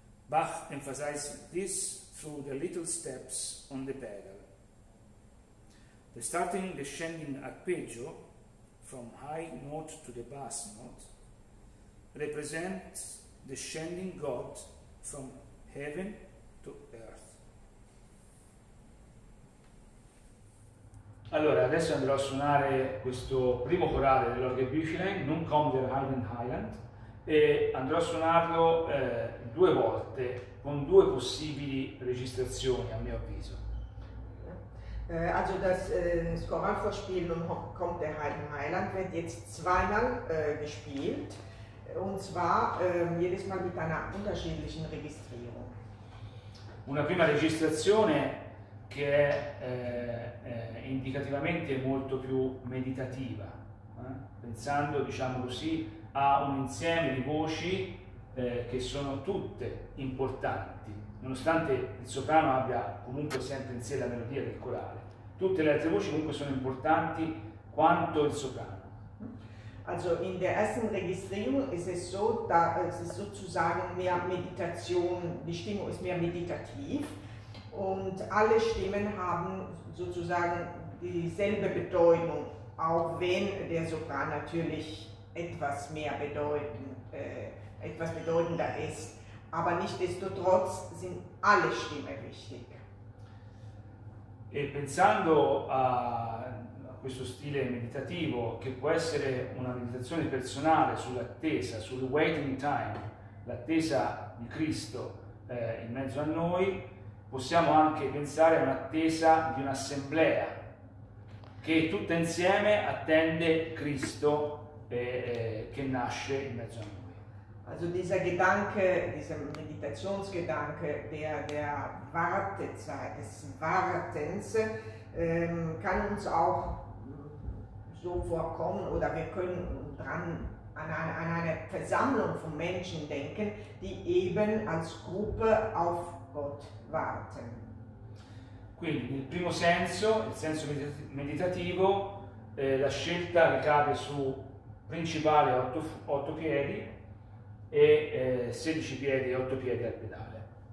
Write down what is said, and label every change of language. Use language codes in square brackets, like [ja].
[en] Bach emphasized this through the little steps on the pedal. The starting descending arpeggio from high note to the bass note represents descending God from heaven to earth. [it] Allora, adesso andrò a suonare questo primo corale dell'Orge Büchlein, Nun kommt der Heidenheiland, e andrò a suonarlo due volte con due possibili registrazioni, a mio avviso. [de] Also das Choralvorspiel Nun kommt der Heidenheiland wird jetzt zweimal gespielt, und zwar jedes Mal mit einer unterschiedlichen Registrierung. [it] Una prima registrazione che è indicativamente molto più meditativa, pensando, diciamo così, a un insieme di voci che sono tutte importanti, nonostante il soprano abbia comunque sempre in sé la melodia del corale. Tutte le altre voci comunque sono importanti quanto il soprano. [de] Also in der ersten Registrierung ist es so, da es ist sozusagen mehr Meditation, die Stimmung ist mehr meditativ und alle Stimmen haben sozusagen dieselbe Bedeutung, auch wenn der Sopran natürlich etwas mehr bedeutend, etwas bedeutender ist, aber nichtsdestotrotz sind alle Stimmen wichtig. [it] E pensando a questo stile meditativo, che può essere una meditazione personale sull'attesa, sul [en] waiting time, [it] l'attesa di Cristo in mezzo a noi, possiamo anche pensare a un'attesa di un'assemblea che tutta insieme attende Cristo che nasce in mezzo a noi. [de] Also dieser Gedanke, dieser Meditationsgedanke der Wartezeit, des Wartens, kann uns auch so vorkommen, oder wir können dran an eine Versammlung von Menschen denken, die eben als Gruppe auf Gott warten. [it] Quindi, nel primo senso, il senso meditativo, la scelta ricade su principale 8 piedi e 16 piedi e 8 piedi al pedale.